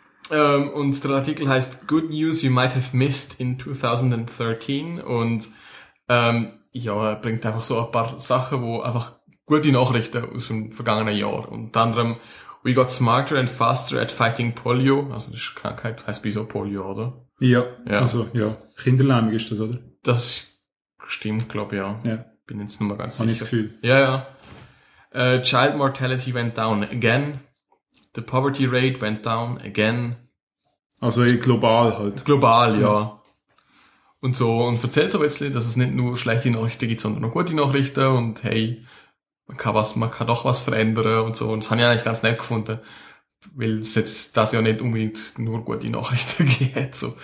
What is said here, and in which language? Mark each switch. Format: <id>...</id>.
<de>und der Artikel heißt Good News You Might Have Missed in 2013 und ja, er bringt einfach so ein paar Sachen, wo einfach gute Nachrichten aus dem vergangenen Jahr. Unter anderem</de> <en>We got smarter and faster at fighting polio.</en> <de>Also das ist eine Krankheit, heißt wieso Polio, oder? Ja. Also ja, kinderlähmig ist das, oder? Das stimmt, glaube ich, ja. Ja. Bin jetzt nicht mehr ganz sicher. Habe ich das Gefühl. Ja.</de> <en>Child mortality went down again. The poverty rate went down again.</en> <de>Also global halt. Global, ja. Und so, und erzählt so ein bisschen, dass es nicht nur schlechte Nachrichten gibt, sondern auch gute Nachrichten und hey, man kann doch was verändern und so. Und das habe ich eigentlich ganz nett gefunden, weil es jetzt das ja nicht unbedingt nur gute Nachrichten geht, so.</de>